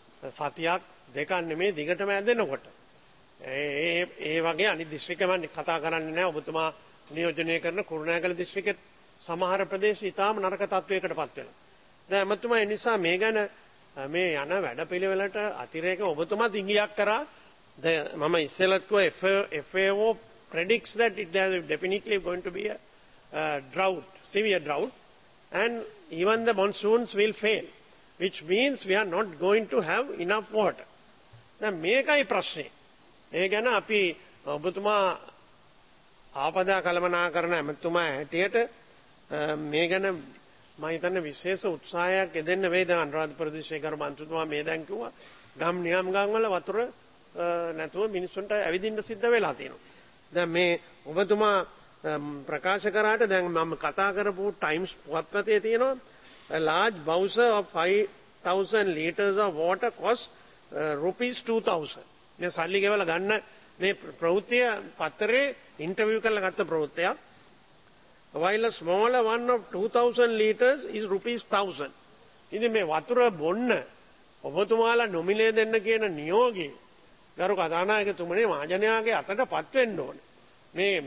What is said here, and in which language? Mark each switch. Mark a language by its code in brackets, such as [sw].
[si] සතියක් දෙකක් නෙමෙයි දිගටම ඇදෙනකොට. ඒ වගේ අනිත් දිස්ත්‍රික්කම කතා කරන්නේ නැහැ. ඔබතුමා නියෝජනය කරන කුරුණෑගල දිස්ත්‍රික්කයේ සමහර ප්‍රදේශ ඉතාම නරක තත්ත්වයකට පත් වෙනවා. දැන් ඔබතුමා ඒ නිසා මේ ගැන මේ යන වැඩපිළිවෙලට අතිරේක ඔබතුමා දිගියක් කරා. මම ඉස්සෙල්ලත් කිව්වා [en] FAO predicts that it is definitely going to be a drought, severe drought, and even the monsoons will fail, which means we are not going to have enough water. [si] දැන් මේකයි ප්‍රශ්නේ. ඒ ගැන අපි ඔබතුමා ආපදා කළමනාකරණ ඇමතුමා හැටියට මේ ගැන මම හිතන්නේ විශේෂ උත්සාහයක් යෙදෙන්න වේද අනුරාධපුර දිස්ත්‍රික්ක කර මන්ත්‍රීතුමා මේ දැන් කිව්වා ගම් නියම් ගම්වල වතුර නැතුව මිනිස්සුන්ට ඇවිදින්න සිද්ධ වෙලා තියෙනවා. දැන් මේ ඔබතුමා ප්‍රකාශ කරාට දැන් මම කතා කරපු ටයිම්ස් පුවත්පතේ තියෙනවා [en] Large bowser of 5000 litres of water cost rupees 2000. [si] මේ සල්ලි ගෙවලා ගන්න මේ ප්‍රවෘත්තිය පත්තරේ ඉන්ටර්වියු කරලා ගත්ත ප්‍රවෘත්තියක්. [en] While a smaller one of 2,000 liters is rupees 1,000. [si] ඉතින් මේ වතුර බොන්න ඔබතුමාලා නොමිලේ දෙන්න කියන නියෝගේ ගරු කතානායකතුමනි මහජනයාගේ අතට පත් වෙන්න ඕනේ.